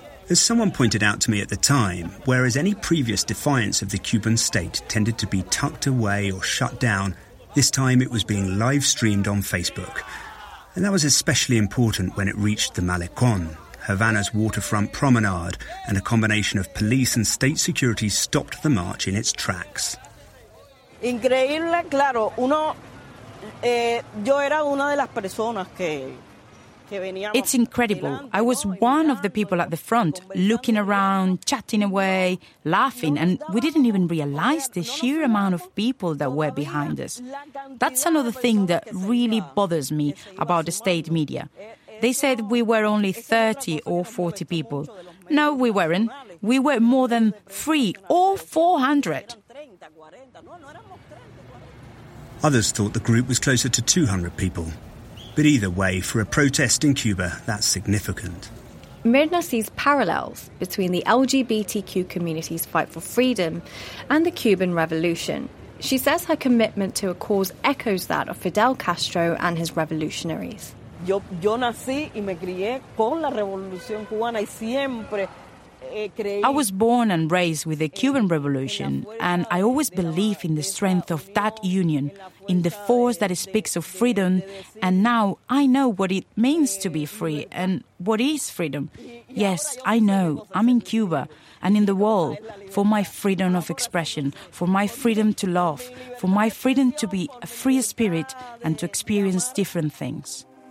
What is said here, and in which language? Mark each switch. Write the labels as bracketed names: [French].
[English] As someone pointed out to me at the time, whereas any previous defiance of the Cuban state tended to be tucked away or shut down, this time it was being live-streamed on Facebook. And that was especially important when it reached the Malecón, Havana's waterfront promenade, and a combination of police and state security stopped the march in its tracks. [Spanish] Increíble, claro. Uno, yo era una de las personas que... [English] It's incredible. I was one of the people at the front, looking around, chatting away, laughing, and we didn't even realize the sheer amount of people that were behind us. That's another thing that really bothers me about the state media. They said we were only 30 or 40 people. No, we weren't. We were more than 300 or 400. Others thought the group was closer to 200 people. But either way, for a protest in Cuba, that's significant. Mirna sees parallels between the LGBTQ community's fight for freedom and the Cuban Revolution. She says her commitment to a cause echoes that of Fidel Castro and his revolutionaries. [Spanish] Yo nací y me crié con la Revolución Cubana y siempre... [English] I was born and raised with the Cuban Revolution, and I always believe in the strength of that union, in the force that speaks of freedom, and now I know what it means to be free and what is freedom. Yes, I know, I'm in Cuba and in the world for my freedom of expression, for my freedom to love, for my freedom to be a free spirit and to experience different things.